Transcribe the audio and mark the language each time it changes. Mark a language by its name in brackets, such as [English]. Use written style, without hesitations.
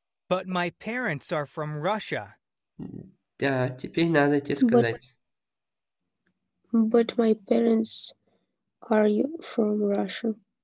[English] But my parents are from Russia. [Russian] Да, теперь надо тебе сказать. [English] But my parents are from Russia.